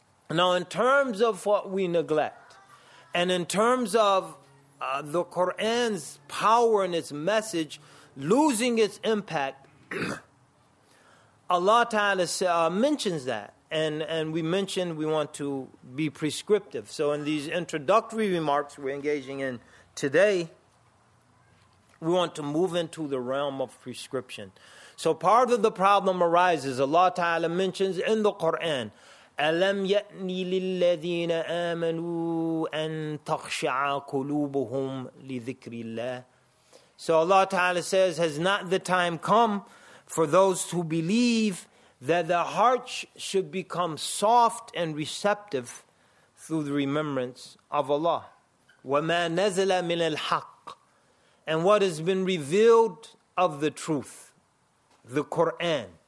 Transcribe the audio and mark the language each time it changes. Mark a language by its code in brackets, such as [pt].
[en] Now, in terms of what we neglect, and in terms of the Quran's power and its message losing its impact, Allah Ta'ala mentions that. And we mentioned we want to be prescriptive. So in these introductory remarks we're engaging in today, we want to move into the realm of prescription. So part of the problem arises. Allah Ta'ala mentions in the Quran, [ar] أَلَمْ يَأْنِ لِلَّذِينَ آمَنُوا أَن تَخْشَعَ قُلُوبُهُمْ لِذِكْرِ اللَّهِ. [en] So Allah Ta'ala says, has not the time come for those who believe that their hearts should become soft and receptive through the remembrance of Allah? [ar] وَمَا نَزَلَ مِنَ الْحَقِّ. [en] And what has been revealed of the truth, the Quran.